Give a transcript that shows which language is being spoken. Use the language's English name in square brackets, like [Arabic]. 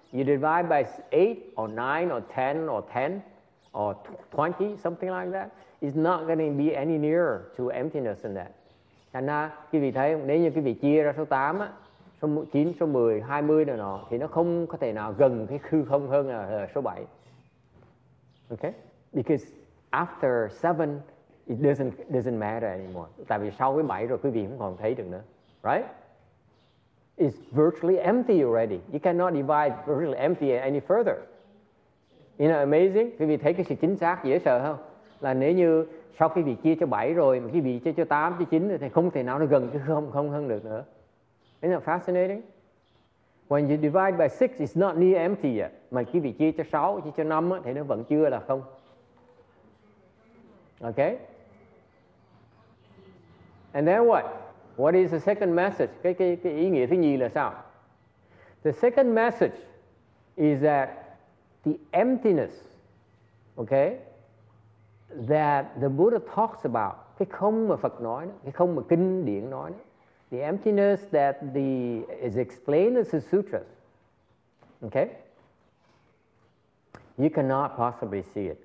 [English] You divide by 8 or 9 or 10 or 10 or 20, something like that, it's not going to be any nearer to emptiness than that. [Vietnamese] Thành ra, quý vị thấy, nếu như quý vị chia ra số 8, số 9, số 10, 20 nữa nọ thì nó không có thể nào gần cái hư không hơn là số 7. Okay? [English] Because after 7 it doesn't matter anymore. [Vietnamese] Tại vì sau cái 7 rồi quý vị không còn thấy được nữa. [English] Right? It's virtually empty already. You cannot divide virtually empty any further. You know, amazing? [Vietnamese] Quý vị thấy cái sự chính xác dễ sợ không? Là nếu như sau khi bị chia cho 7 rồi mà khi bị chia cho 8, cho 9 thì không thể nào nó gần cái không không hơn được nữa. [English] Isn't that fascinating? When you divide by 6, it's not near empty yet. [Vietnamese] Mà khi bị chia cho 6, chia cho 5 thì nó vẫn chưa là không. [English] Okay? And then what? What is the second message? [Vietnamese] Cái ý nghĩa thứ nhì là sao? [English] The second message is that the emptiness, okay, that the Buddha talks about, [Vietnamese] cái không mà Phật nói, cái không mà kinh điển nói, [English] the emptiness that the is explained in the sutras, okay, you cannot possibly see it.